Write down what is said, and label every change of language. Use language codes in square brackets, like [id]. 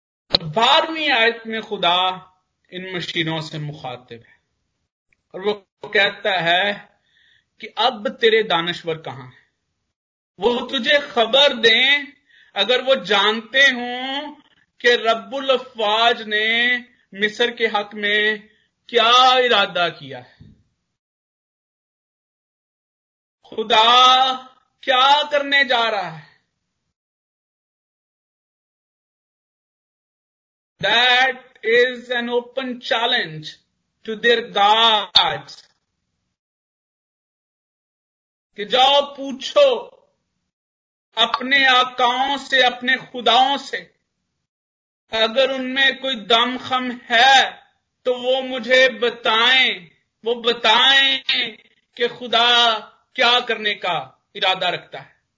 [ur] اور 12ویں آیت میں خدا ان مشینوں سے مخاطب ہے اور وہ کہتا ہے کہ اب تیرے دانشور کہاں ہیں, وہ تجھے خبر دیں اگر وہ جانتے ہوں کہ رب الافواج نے مصر کے حق میں کیا ارادہ کیا ہے. خدا کیا کرنے جا رہا ہے؟ [en] That is an open challenge to their gods. [ur] کہ جاؤ پوچھو اپنے آقاؤں سے, اپنے خداؤں سے, اگر ان میں کوئی دم خم ہے تو وہ مجھے بتائیں, وہ بتائیں کہ خدا کیا کرنے کا ارادہ رکھتا ہے.